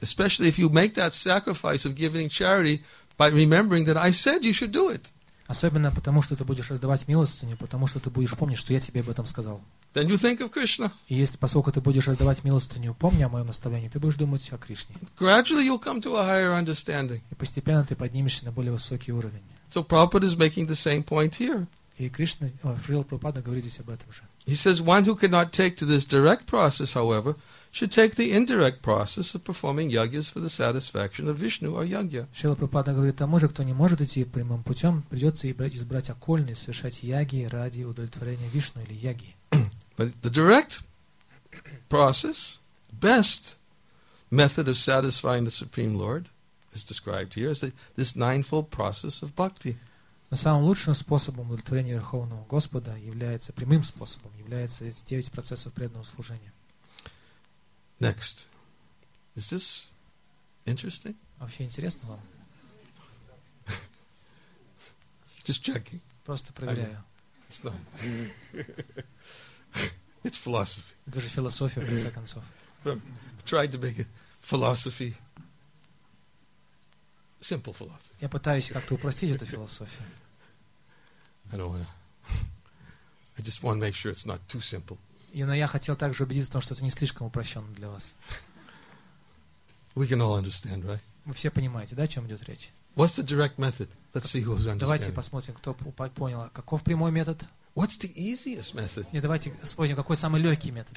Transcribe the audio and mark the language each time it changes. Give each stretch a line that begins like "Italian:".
English: Especially if you make that sacrifice of giving charity by remembering that I said you should do it.
Russian: Особенно потому, что ты будешь раздавать милостыню, потому что ты будешь помнить, что я тебе об этом сказал.
English: Then you think of Krishna.
Russian: И если, поскольку ты будешь раздавать милостыню, помни о моем наставлении, ты будешь думать о Кришне.
English: Gradually you'll come to a higher understanding.
Russian: И постепенно ты поднимешься на более высокий уровень.
English: So Prabhupada is making the same point here.
Russian: И Кришна, Шрила Прабхупада говорит здесь об этом же.
English: He says, one who cannot take to this direct process, however, should take the indirect process of performing yagyas for the satisfaction of Vishnu or yagya.
Russian: Шрила Прабхупада говорит, тому же, кто не может идти прямым путем, придется избрать окольный, совершать яги ради удовлетворения Вишну или яги.
English: But the direct process, best method of satisfying the Supreme Lord, is described here as this ninefold process of bhakti.
Russian: Но самым лучшим способом удовлетворения Верховного Господа является прямым способом, является 9 процессов преданного служения.
English: Next. Is this interesting?
Russian: Вообще интересно вам?
English: Just checking.
Russian: Просто проверяю.
English: It's not. It's philosophy.
Russian: Это же философия, в конце концов.
English: Tried to make it philosophy. Simple philosophy.
Russian: Я пытаюсь как-то упростить эту философию.
English: I don't wanna. I just want to make sure it's not too simple.
Russian: И, но я хотел также убедиться в том, что это не слишком упрощенно для вас.
English: We can all understand, right?
Russian: Вы все понимаете, да, о чем идет речь?
English: What's the direct method? Let's see who's understanding.
Russian: Давайте посмотрим, кто понял. Каков прямой метод?
English: What's the easiest method?
Russian: Нет, давайте вспомним, какой самый легкий метод.